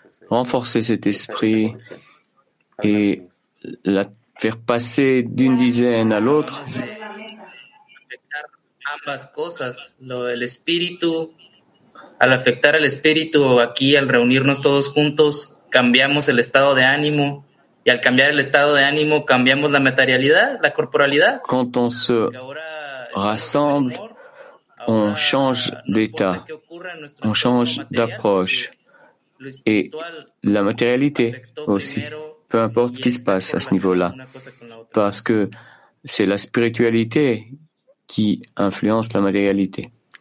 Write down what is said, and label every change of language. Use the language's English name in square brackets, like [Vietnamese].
[French] renforcer cet esprit et la faire passer d'une dizaine à l'autre. [Spanish] Ambas cosas, lo del espíritu, al afectar al espíritu aquí, al reunirnos todos juntos, cambiamos el estado de ánimo, y al cambiar el estado de ánimo, cambiamos la materialidad, la corporalidad. [French] Quand on se rassemble, on change d'état, on change d'approche, et la matérialité aussi, peu importe ce qui se passe à ce niveau-là, parce que c'est la spiritualité qui influence la matérialité.